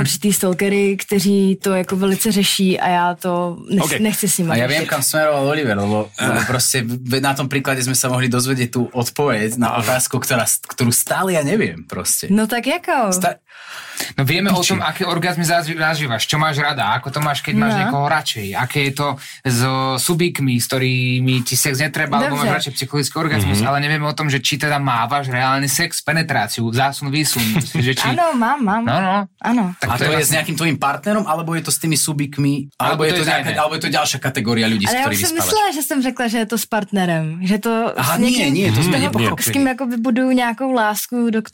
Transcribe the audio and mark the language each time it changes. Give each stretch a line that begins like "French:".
Czech: určitý stalkery, kteří to jako velice řeší a já to nechci s nimi. A já vím, kam směroval Oliver, lebo prostě na tom příkladě jsme se mohli dozvědět tu odpověď na otázku, kterou stále já nevím prostě. No tak jako.
Slovak: No vieme o tom, aké orgazmy zažívaš, čo máš rada, ako to máš, keď máš niekoho radšej, aké je to s subíkmi, s ktorými ti sex netreba, alebo máš radšej psychologický orgazmus, ale nevieme o tom, že či teda máváš reálny sex, penetráciu, zásun, výsun. Áno, mám. No. A to je s nejakým tvojim partnerom, alebo je to s tými subíkmi, alebo je to ďalšia kategória ľudí, s ktorými spávaš?
Czech: Ale ja som myslela, že som řekla, že je to s partnerem.
Slovak: Že to nie, to sme nepochopili. S kým budú nejakou lásku.